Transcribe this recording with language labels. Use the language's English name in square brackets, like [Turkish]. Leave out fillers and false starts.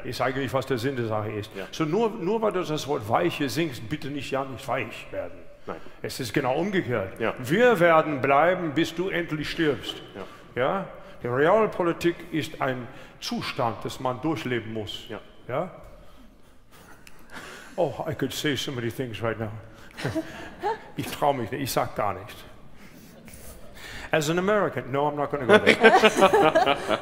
[German] Ist eigentlich, was der Sinn der Sache ist. Ja. So nur weil du das Wort weiche singst, bitte nicht weich werden. Nein. Es ist genau umgekehrt. Ja. Wir werden bleiben, bis du endlich stirbst. Ja. Ja? Die Realpolitik ist ein Zustand, das man durchleben muss. Ja. Ja? [English] Oh, I could say so many things right now. [German] Ich traue mich nicht, ich sage gar nichts. [English] As an American, no, I'm not going to go there.